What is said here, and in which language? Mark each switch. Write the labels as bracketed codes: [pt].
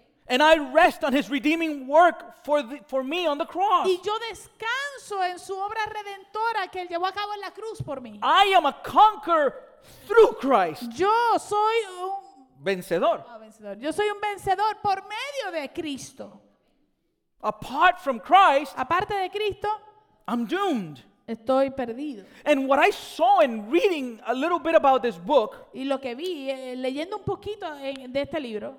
[en] And I rest on his redeeming work for me on the cross. [es] Y yo descanso en su obra redentora que él llevó a cabo en la cruz por mí. [en] I am a conqueror through Christ. [es] Yo soy un vencedor. Yo soy un vencedor por medio de Cristo. [en] Apart from Christ, [es] aparte de Cristo, [en] I'm doomed. [es] Estoy perdido. [en] And what I saw in reading a little bit about this book, [es] y lo que vi, leyendo un poquito de este libro,